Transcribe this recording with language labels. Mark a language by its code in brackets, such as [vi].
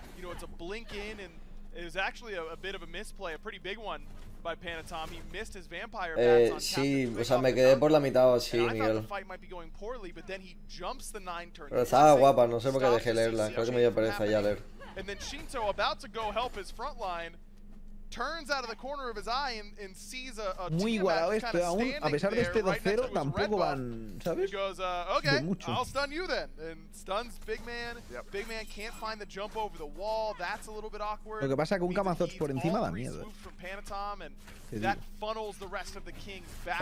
[en] You know, it's a blink in, and it was actually a bit of a misplay, a pretty big one. By Panatom, he missed his vampire bats on [es] Captain. Sí, o sea, me quedé por la mitad o así, Miguel. Poorly, pero estaba guapa, no sé por qué dejé leerla. Creo que me dio pereza ya leer. [en] And then Shinto about to go help his front line. turns out of the corner of his eye and sees a [es] muy igualado esto aún, a pesar de este 2-0 [en] right [es] tampoco van, ¿sabes? [en] He goes, okay, I'll stun you then. And stuns Big Man. Yep. Big Man can't find the jump over the wall. That's a little bit awkward. [es] Lo que pasa es que un Kamazotz por encima da miedo. [en] That funnels the rest of the king back.